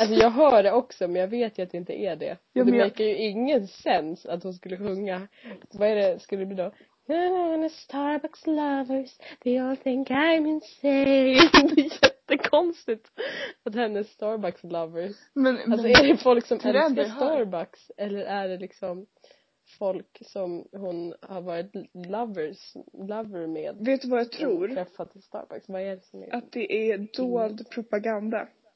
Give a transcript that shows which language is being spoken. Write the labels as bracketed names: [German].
[Swedish] Alltså jag hör det också, men jag vet ju att det inte är det. Jo, det märker ju ingen sens att hon skulle sjunga. Vad är det, skulle det bli då? [English] Starbucks Lovers, they all think I'm insane. [Swedish] Det är jättekonstigt att henne är Starbucks Lovers. Men, alltså är det folk som älskar Starbucks? Eller är det liksom folk som hon har varit lover med? Vet du vad jag tror? Träffat i Starbucks. Vad är det som är? Att det är dold propaganda.